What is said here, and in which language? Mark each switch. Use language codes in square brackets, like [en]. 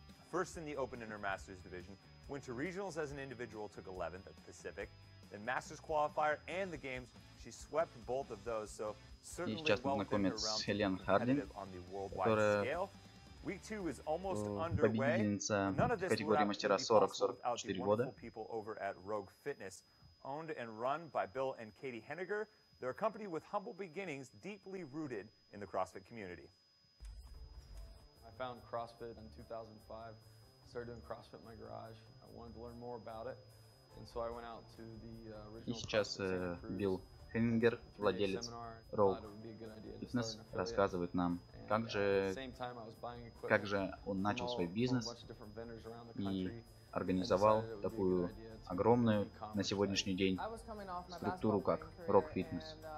[en] First in the open in her masters division, went to regionals as an individual, took 11th at Pacific, then masters qualifier and the games. She swept both of those, so certainly [ru] и сейчас познакомимся с Хелен Хардин, которая [en] week two is almost [ru] победительница категории мастера 40-44 года. [en] People over at Rogue Fitness, owned and run by Bill and Katie Henniger, they're a company with humble beginnings, deeply rooted in the CrossFit community. I found CrossFit in 2005, started doing CrossFit in my garage. I wanted to learn more about it, and so I went out to the original. [ru] И сейчас Билл Хеннингер, владелец Rogue Fitness, рассказывает нам, как же он начал свой бизнес и организовал такую огромную на сегодняшний день структуру, как Rogue Fitness.